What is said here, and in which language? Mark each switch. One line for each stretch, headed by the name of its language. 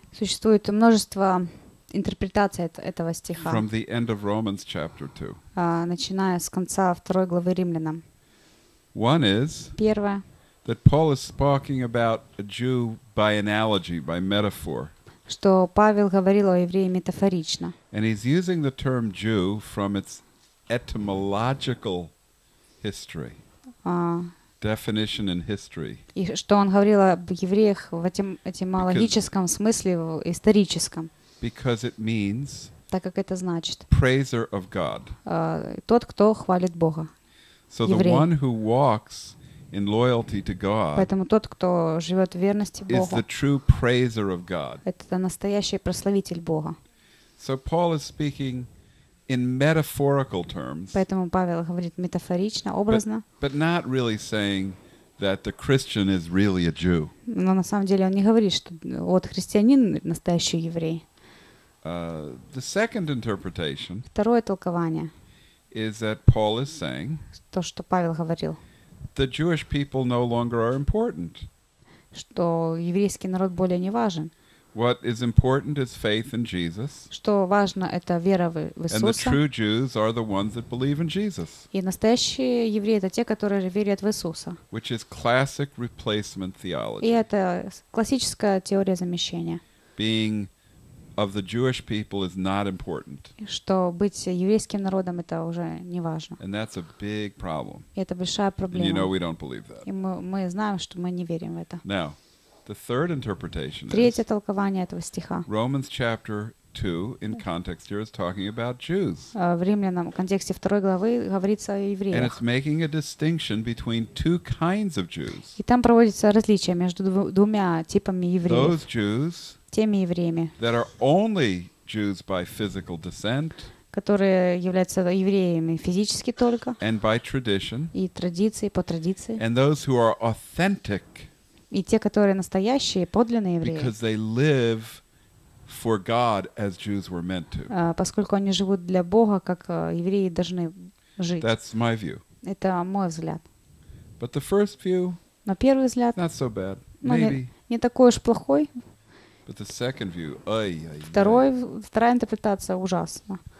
Russian: Существует множество интерпретаций этого стиха.
English: From the end of Romans chapter 2.
Russian: Начиная с конца второй главы Римлянам.
English: One is
Russian: первое,
English: that Paul is talking about a Jew by analogy, by metaphor.
Russian: Что Павел говорил о евреи метафорично.
English: And he's using the term Jew from its etymological history. Definition in history.
Russian: И что он говорил об евреях в этимологическом смысле, в историческом.
English: Because it means,
Russian: так как это значит,
English: praiser of God.
Russian: Тот, кто хвалит Бога.
English: So the one who walks in loyalty to God.
Russian: Поэтому тот, кто живёт в верности Богу.
English: Is the true praiser of God.
Russian: Это настоящий прославитель Бога.
English: So Paul is speaking in metaphorical terms.
Russian: Поэтому Павел говорит метафорично, образно.
English: But not really saying that the Christian is really a Jew.
Russian: Но на самом деле он не говорит, что вот христианин настоящий еврей.
English: The second interpretation.
Russian: Второе толкование.
English: Is that Paul is saying?
Russian: То, что Павел говорил.
English: The Jewish people no longer are important.
Russian: Что еврейский народ более не важен.
English: What is important is faith in Jesus.
Russian: Что важно, это вера в Иисуса.
English: And the true Jews are the ones that believe in Jesus.
Russian: И настоящие евреи — это те, которые верят в Иисуса.
English: Which is classic replacement theology.
Russian: И это классическая теория замещения.
English: Being of the Jewish people is not important.
Russian: Что быть еврейским народом — это уже не важно.
English: And that's a big problem.
Russian: Это большая проблема.
English: And you know we don't believe that.
Russian: И мы знаем, что мы не верим в это.
English: Now, the third interpretation.
Russian: Третье толкование этого стиха.
English: Romans chapter 2 in context here is talking about Jews.
Russian: В Римлянам контексте второй главы говорится о евреях.
English: And it's making a distinction between two kinds of Jews.
Russian: И там проводится различие между двумя типами евреев.
English: Those Jews.
Russian: Теми евреями,
English: that are only Jews by physical descent,
Russian: которые являются евреями физически только,
English: and by tradition,
Russian: и традиции, по традиции,
English: and those who are authentic,
Russian: и те, которые настоящие, подлинные евреи,
English: because they live for God as Jews were meant to.
Russian: Поскольку они живут для Бога, как евреи должны жить.
English: That's my view.
Russian: Это мой взгляд.
English: But the first view,
Russian: но первый взгляд,
English: not so bad. Maybe.
Russian: Не такой уж плохой.
English: But the second view, ay-ay-ay.
Russian: Вторая интерпретация ужасна.